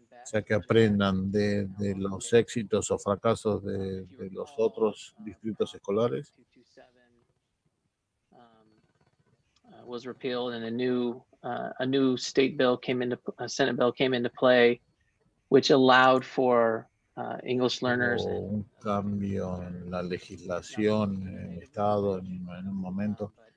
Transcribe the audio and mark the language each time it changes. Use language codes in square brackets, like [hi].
[es] O sea, que aprendan de los éxitos o fracasos de los otros distritos escolares. [en] Was repealed and a new state bill came into a Senate bill came into play, which allowed for English learners. [es] Un cambio en la legislación en el estado en un momento.